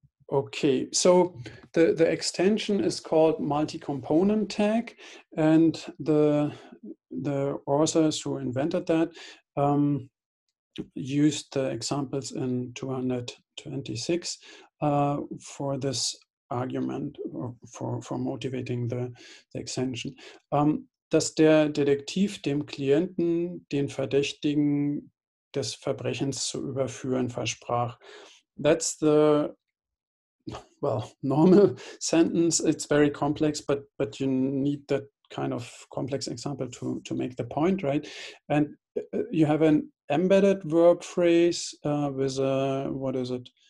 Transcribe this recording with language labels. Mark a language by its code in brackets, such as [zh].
[en] Okay, so the extension is called multi-component TAG, and the authors who invented that used the examples in 226 for this argument, or for motivating the extension. [de] Dass der Detektiv dem Klienten den Verdächtigen des Verbrechens zu überführen versprach. [en] That's the, well, normal sentence. It's very complex, but you need that kind of complex example to make the point, right? And you have an embedded verb phrase with a, what is it?